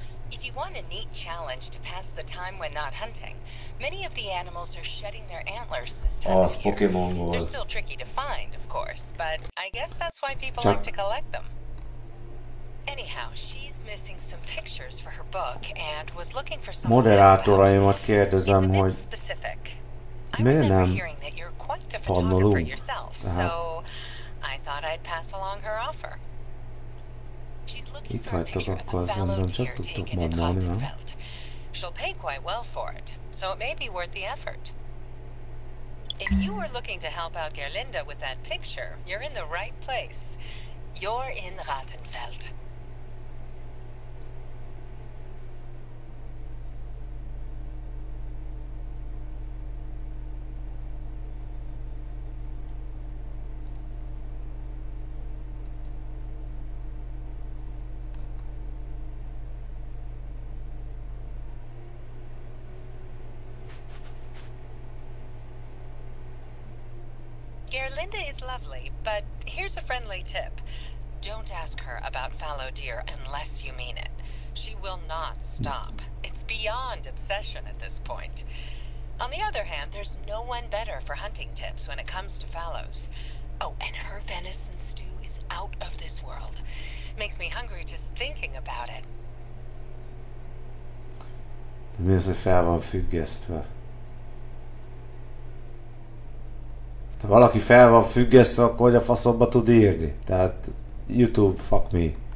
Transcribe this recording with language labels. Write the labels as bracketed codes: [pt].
[en] If you want a neat challenge to pass the time when not hunting, many of the animals are shedding their antlers this time of year. [hu] Pokémon volt. [en] They're still tricky to find, of course, but I guess that's why people like to collect them. Anyhow, she's missing some pictures for her book and was looking for some. [hu] Moderátoraimat kérdezem, hogy [en] specific. [hu] Miért nem pannolunk? Tehát... [en] So I thought I'd pass along her offer. [hu] Itt hagytok, akkor azt gondolom, csak tudtok mondani, nem? [en] She'll pay quite well for it, so it may be worth the effort. If you were looking to help out Gerlinda with that picture, you're in the right place. You're in Rattenfeld. Gerlinda is lovely, but here's a friendly tip. Don't ask her about fallow deer unless you mean it. She will not stop. It's beyond obsession at this point. On the other hand, there's no one better for hunting tips when it comes to fallows. Oh, and her venison stew is out of this world. Makes me hungry just thinking about it. [hu] Mi az, hogy fel van függesztve? Ha valaki fel van függesztve, akkor hogy a faszomba tud írni? Tehát [en] YouTube, fuck me.